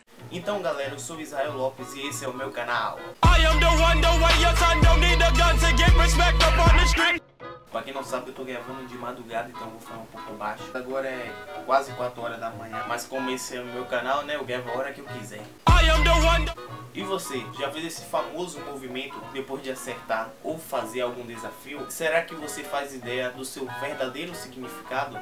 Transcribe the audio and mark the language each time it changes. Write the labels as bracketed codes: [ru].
[pt] Então galera, eu sou Israel Lopes e esse é o meu canal. [en] I am the one, the way your son don't need a gun to get respect up on the street. [pt] Pra quem não sabe, eu tô gravando de madrugada, então vou falar um pouco baixo. Agora é quase 4 horas da manhã, mas como esse é o meu canal, né, eu gravo a hora que eu quiser. [en] I am the one, the... [pt] E você, já fez esse famoso movimento depois de acertar ou fazer algum desafio? Será que você faz ideia do seu verdadeiro significado?